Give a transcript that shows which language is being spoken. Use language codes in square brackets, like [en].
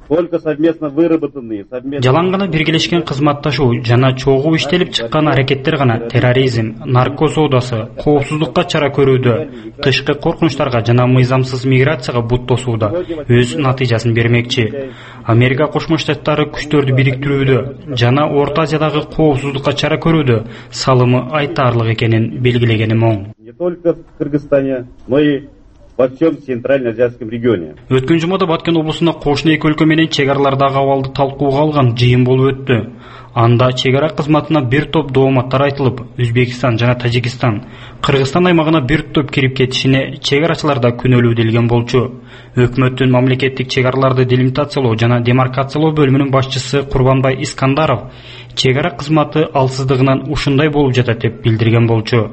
[ky] Жалаң гана биргелешкен кызматташуу жана чогуу иштелип чыккан аракеттер гана терроризм, нарко соодасы, коопсуздукка чара көрүүдө, тышкы коркунучтарга жана мыйзамсыз миграцияга бут тосууда өз натыйжасын бермекчи. Америка Кошмо Штаттары күчтөрдү бириктирүүдө жана Орто Азиядагы коопсуздукка чара көрүүдө салымы айтаарлык экенин белгилегени моң. [ru] Не только в Кыргызстане, но и во всем Центрально-Азиатском регионе. [ky] Өткөн жумада Баткен облусунда кошуна эки өлкө менен чек аралардагы абалды талкууга алган жыйын болуп өттү. Анда чек ара кызматына бир топ дооматтар айтылып, Өзбекстан жана Тажикстан, Кыргызстан аймагына бир топ кирип кетишине чек арачылар да күнөөлүү делген болчу. Өкмөттүн мамлекеттик чек араларды делимитациялоо жана демаркациялоо бөлүмүнүн башчысы Курбанбай Искандаров чек ара кызматы алсыздыгынан ушундай болуп жатат деп билдирген болчу.